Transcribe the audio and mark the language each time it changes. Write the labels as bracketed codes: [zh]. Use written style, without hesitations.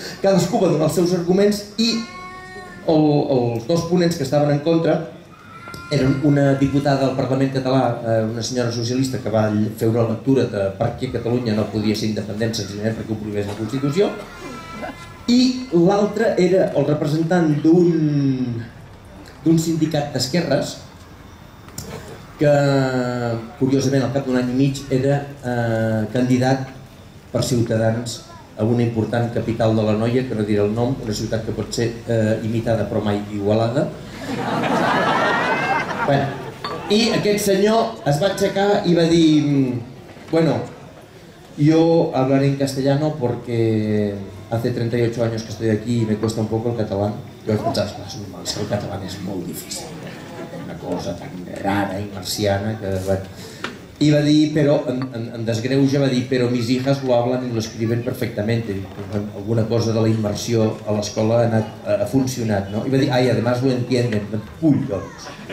[ca] Cadascú va donar els seus arguments i els dos ponents que estaven en contra eren una diputada del Parlament Català, una senyora socialista que va fer una lectura de per què Catalunya no podia ser independent senzillament perquè ho prohibés la Constitució, i l'altre era el representant d'un sindicat d'esquerres que, curiosament, al cap d'un any i mig era candidat per Ciutadans a una important capital de l'Anoia, que no diré el nom, una ciutat que pot ser imitada però mai igualada. Bueno, i aquest senyor es va aixecar i va dir, bueno, [es] yo hablaré en castellano porque hace 38 años que estoy aquí y me cuesta un poco el catalán. [ca] Jo vaig pensar, és normal, és que el català és molt difícil, una cosa tan rara i marciana que... I va dir, però, en desgreuja, va dir, però [es] mis hijas lo hablan y lo escriben perfectamente. [ca] Alguna cosa de la immersió a l'escola ha funcionat, no? I va dir, ai, [es] además lo entienden, [ca] collons.